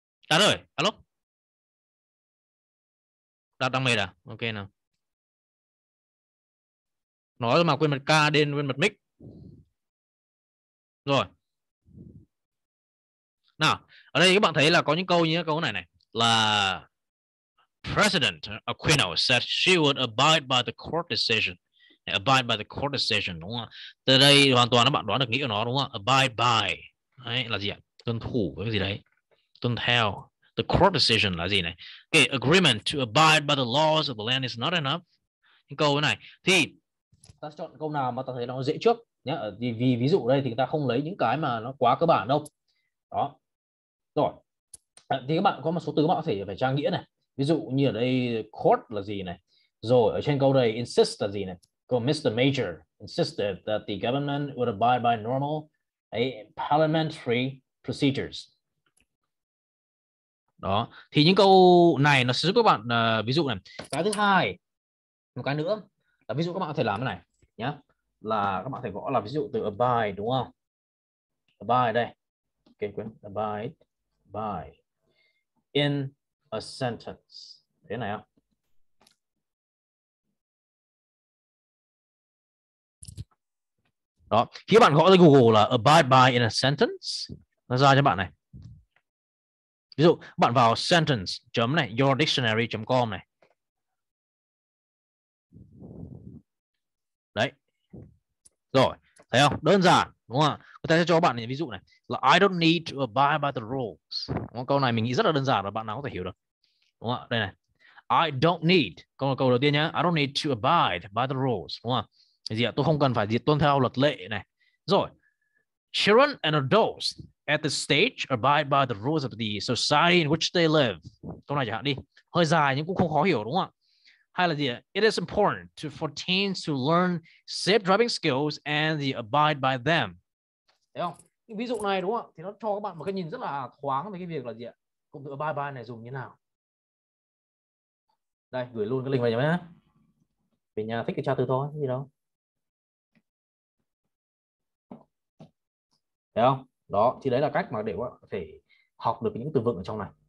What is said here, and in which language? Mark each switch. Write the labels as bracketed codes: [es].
[vi] Đã rồi, alo. Đạt đang mệt à? Ok nào. Nói mà quên mặt ca đen, quên mặt mic. Rồi. Nào, ở đây các bạn thấy là có những câu như câu này này. [en] Là President Aquino said she would abide by the court decision. Abide by the court decision, [vi] đúng không? Từ đây hoàn toàn các bạn đoán được nghĩa của nó, đúng không? Abide by. Đấy, là gì ạ? Tuân thủ với cái gì đấy? Tuân theo. [en] The court decision [vi] là gì này? [en] Okay, agreement to abide by the laws of the land is not enough. [vi] Những câu này thì ta chọn câu nào mà ta thấy nó dễ trước nhé. Vì ví dụ đây thì ta không lấy những cái mà nó quá cơ bản đâu. Đó. Rồi. Thì các bạn có một số từ các bạn có thể phải trang nghĩa này. Ví dụ như ở đây court là gì này? Rồi ở trên câu này insist là gì này? Câu Mr. [en] Major insisted that the government would abide by normal parliamentary procedures. [vi] Đó, thì những câu này nó sẽ giúp các bạn ví dụ này. Cái thứ hai, một cái nữa là ví dụ các bạn có thể làm cái này nhá. Là các bạn có thể gõ là ví dụ từ abide đúng không? [en] Abide đây. Ok, quên. Abide in a sentence. [vi] Thế này ạ. Đó, khi các bạn gõ lên Google là [en] abide by in a sentence, [vi] nó ra cho bạn này. Ví dụ bạn vào sentence chấm này yourdictionary.com này. Đấy. Rồi, thấy không? Đơn giản đúng không ạ? Người ta sẽ cho bạn này, ví dụ này là [en] I don't need to abide by the rules. [vi] Một câu này mình nghĩ rất là đơn giản và bạn nào có thể hiểu được. Đúng không ạ? Đây này. [en] I don't need. [vi] Câu là câu đầu tiên nhá. [en] I don't need to abide by the rules, [vi] đúng không ạ? Gì ạ? Tôi không cần phải tuân theo luật lệ này. Rồi. [en] Children and adults at the stage abide by the rules of the society in which they live. [vi] Câu này chẳng hạn đi. Hơi dài nhưng cũng không khó hiểu đúng không? Hay là gì? [en] It is important for teens to learn safe driving skills and the abide by them. [vi] Thấy không? Ví dụ này đúng không? Thì nó cho các bạn một cái nhìn rất là thoáng về cái việc là gì ạ? Cụm từ abide by này dùng như nào? Đây, gửi luôn cái link vào nhé. Về nhà thích cái tra từ thôi, gì đâu. Thấy không? Đó, thì đấy là cách mà để có thể học được những từ vựng ở trong này.